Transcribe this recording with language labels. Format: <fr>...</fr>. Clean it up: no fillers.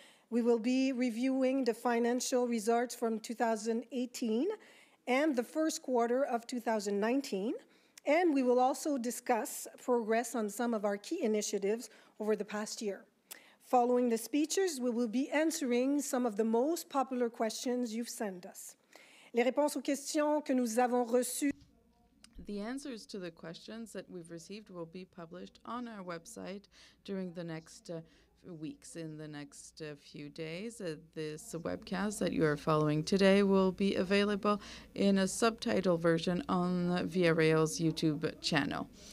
<en>We will be reviewing the financial results from 2018, and the first quarter of 2019. And we will also discuss progress on some of our key initiatives over the past year. Following the speeches, we will be answering some of the most popular questions you've sent us.</en> <fr>Les réponses aux questions que nous avons reçues.</fr> <en>The answers to the questions that we've received will be published on our website during the next weeks, in the next few days. This webcast that you are following today will be available in a subtitle version on VRAIL's YouTube channel.</en>